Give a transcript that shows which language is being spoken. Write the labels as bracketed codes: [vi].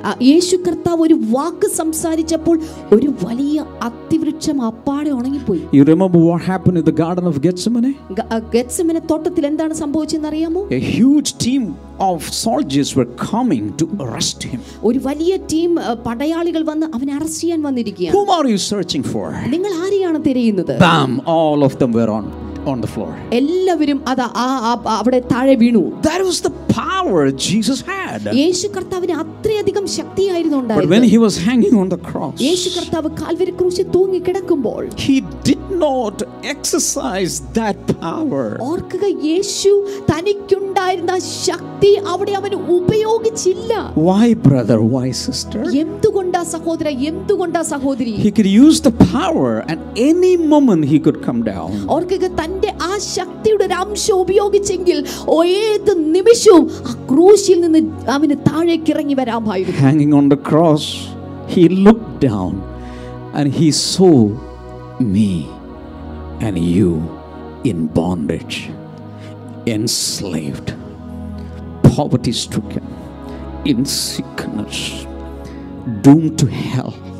[ml] യേശു കർത്താവ് ഒരു വാക്ക് സംസാരിച്ചപ്പോൾ ഒരു വലിയ അത്തിവൃക്ഷം അപ്പാടെ ഉണങ്ങിപ്പോയി. [en] You remember what happened in the garden of Gethsemane? [ml] Gethsemane തോട്ടത്തിൽ എന്താണ് സംഭവിച്ചെന്ന് അറിയാമോ? [en] A huge team of soldiers were coming to arrest him. [ml] ഒരു വലിയ ടീം പടയാളികൾ വന്ന് അവനെ അറസ്റ്റ് ചെയ്യാൻ വന്നിരിക്കുകയാണ്. [en] Whom are you searching for? [ml] നിങ്ങൾ ആരെയാണ് തിരയുന്നത്? [en] Bam, all of them were on the floor. [ml] എല്ലാവരും അത അവിടെ താഴെ വീണു. [en] That was the power Jesus had. [ml] യേശു കർത്താവിന് അത്രയധികം ശക്തിയായിരുന്നു ഉണ്ടായിരുന്നത്. [en] But when he was hanging on the cross. [ml] യേശു കർത്താവ് കാൽവരി ക്രൂശിൽ തൂങ്ങി കിടക്കുമ്പോൾ [en] he did not exercise that power. [ml] ഓർക്കുക, യേശു തനിക്കുണ്ടായിരുന്ന ശക്തി അവിടെ അവൻ ഉപയോഗിച്ചില്ല. [en] Why brother, why sister? [ml] എന്തുകൊണ്ടാ സഹോദര, എന്തുകൊണ്ടാ സഹോദരി? [en] He could use the power and any moment he could come down. [ml] ഓർക്കുക, തന്റെ ആ ശക്തിയുടെ ഒരു അംശം ഉപയോഗിച്ചെങ്കിൽ ഏത് നിമിഷവും ആ ക്രൂശിൽ നിന്ന് അവന് താഴേക്ക് ഇറങ്ങി വരാമായിരുന്നു. [en] Hanging on the cross, he looked down and he saw me and you in bondage, enslaved, poverty stricken, in sickness, doomed to hell.